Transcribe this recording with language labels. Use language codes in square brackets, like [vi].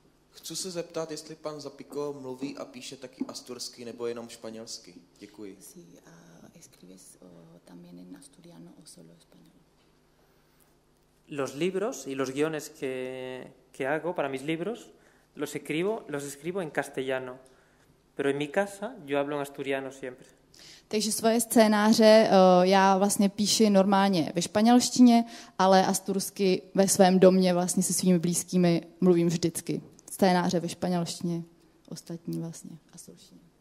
[cs] Chci se zeptat, jestli pan Zapico mluví a píše taky asturský nebo jenom španělsky. Děkuji. [es] Sí, escribes también en asturiano o solo español. Los libros y los guiones que hago para mis libros los escribo en castellano, pero en mi casa yo hablo en asturiano siempre. [cs] Takže svoje scénáře já vlastně píši normálně ve španělštině, ale asturský ve svém domě vlastně se svými blízkými mluvím vždycky. Scénáře ve španělštině, ostatní vlastně asturštině.